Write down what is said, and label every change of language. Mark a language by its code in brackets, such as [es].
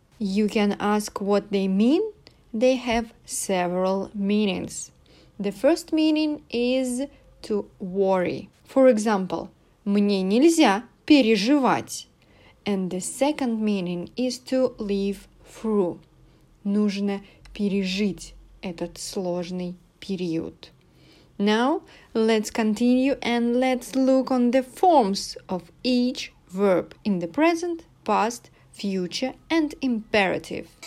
[en] You can ask what they mean. They have several meanings. The first meaning is to worry. For example, [ru] мне нельзя переживать. [en] And the second meaning is to live through. [ru] Нужно пережить этот сложный период. [en] Now, let's continue and let's look on the forms of each verb in the present, past, future, and imperative.